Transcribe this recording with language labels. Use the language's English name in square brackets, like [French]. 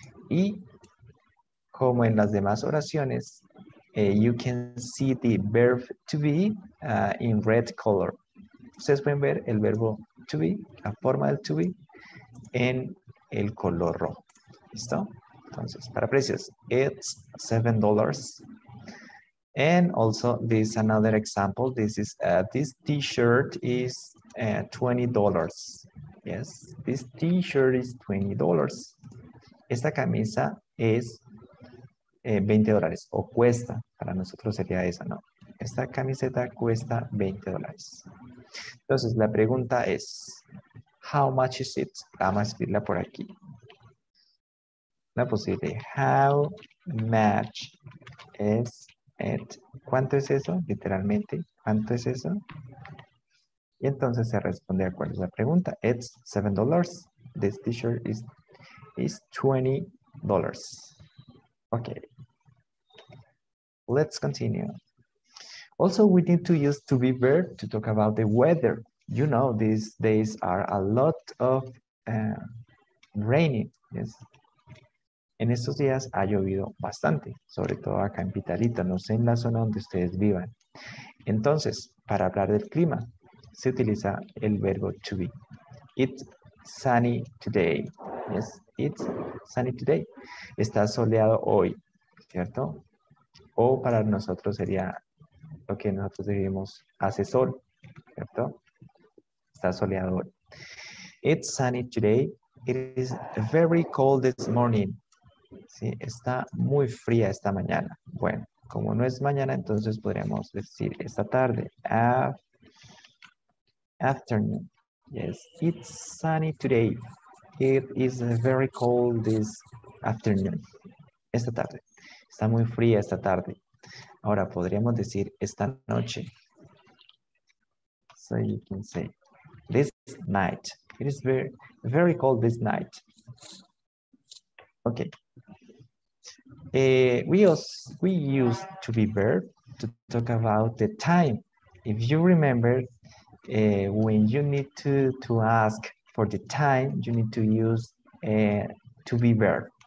[Spanish] Y como en las demás oraciones, [English] you can see the verb to be in red color. [Spanish] Ustedes pueden ver el verbo to be, la forma del to be, en el color rojo. ¿Listo? Entonces, para precios, [English] it's $7. And also, this is another example. This is this t-shirt is $20. Yes, this t-shirt is $20. [Spanish] Esta camisa es $20 o cuesta, para nosotros sería esa, ¿no? Esta camiseta cuesta $20. Entonces, la pregunta es, [English] how much is it? [Spanish] Vamos a escribirla por aquí. La posible, [English] how much is it? [Spanish] ¿Cuánto es eso? Literalmente, ¿cuánto es eso? Y entonces se responde a cuál es la pregunta. [English] It's $7. This t-shirt is $20. dollars. Okay. Let's continue. Also, we need to use to be verb to talk about the weather. You know, these days are a lot of raining. Yes. [Spanish] En estos días ha llovido bastante, sobre todo acá en Pitalito, no sé en la zona donde ustedes vivan. Entonces, para hablar del clima, se utiliza el verbo to be. [English] It's sunny today. Yes, it's sunny today. [Spanish] Está soleado hoy, ¿cierto? O para nosotros sería lo que nosotros diríamos hace sol, ¿cierto? Está soleado hoy. [English] It's sunny today. It is very cold this morning. [Spanish] Sí, está muy fría esta mañana. Bueno, como no es mañana, entonces podríamos decir esta tarde. [English] Afternoon. Yes, it's sunny today. It is very cold this afternoon. [Spanish] Esta tarde. Está muy fría esta tarde. Ahora podríamos decir esta noche. [English] So you can say this night. It is very, very cold this night. Okay. We use to be verb to talk about the time. If you remember, when you need to ask for the time, you need to use to be verb.